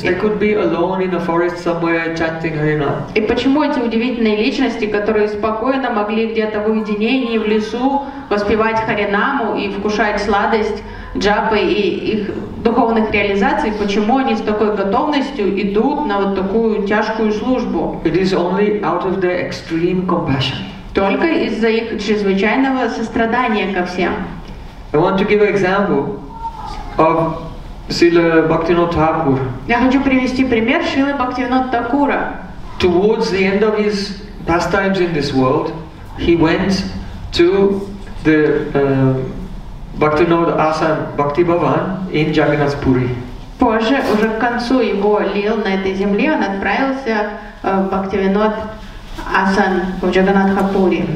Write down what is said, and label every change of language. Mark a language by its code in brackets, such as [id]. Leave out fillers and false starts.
[en] They could be alone in a forest somewhere chanting Harina. [ru] И почему эти удивительные личности, которые спокойно могли где-то в уединении в лесу воспевать Харинаму и вкушать сладость джапы и их духовных реализаций, почему они с такой готовностью идут на вот такую тяжкую службу? [en] It is only out of their extreme compassion. [ru] Только из-за их чрезвычайного сострадания ко всем. [en] I want to give an example of Srila Bhaktivinoda Thakur. [ru] Я хочу привести пример Шрилы Бхактивинода Такура. [en] Towards the end of his pastimes in this world, he went to the Bhaktivinoda Asan Bhakti Bhavan in Jagannath Puri. [ru] Позже, уже к концу его лил на этой земле, он отправился в Бхактивинод Асан в Jagannath Puri.